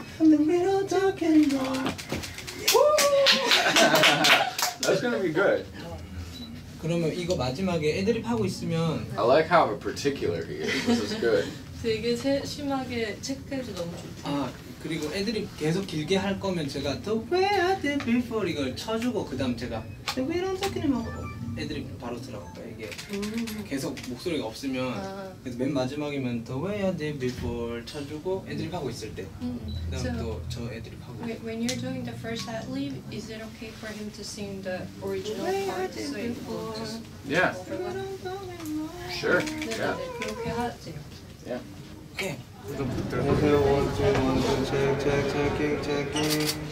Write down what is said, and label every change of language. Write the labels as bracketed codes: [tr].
[en] And then we don't talk anymore. That's gonna be good. [ko] 그러면 이거 마지막에 애드립 하고 있으면 [en] I like how particular he is. This is good. [ko] 되게 세심하게 체크해서 너무 좋다. 아, 그리고 애드립 계속 길게 할 거면 제가 [en] The way I did before [ko] 이걸 쳐주고 그 다음 제가 [en] The way I don't talk anymore [ko] 애드립 바로 들어갈까요? 이게 계속 목소리가 없으면 그래서 맨 마지막이면 [en] The way I did before [ko] 쳐주고 애드립 하고 있을 때 그 다음 [en] so, [ko] 또 저 애드립 하고 [en] wait, When you're doing the first ad-lib, is it okay for him to sing the original part? The way I did before Yeah Sure, yeah [ko] 그렇게 하지 [en] Yeah Okay Okay, one, two, one, two, check, check, checking, checking.